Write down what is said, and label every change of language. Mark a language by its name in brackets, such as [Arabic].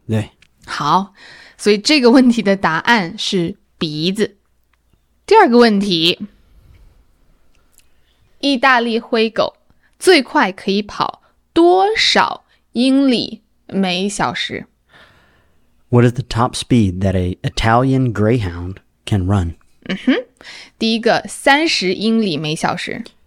[Chinese] 对。好，所以这个问题的答案是鼻子。第二个问题，意大利灰狗最快可以跑多少英里每小时？ [English] What is the top speed that an Italian greyhound can run? [Chinese] 嗯哼，第一个30英里每小时。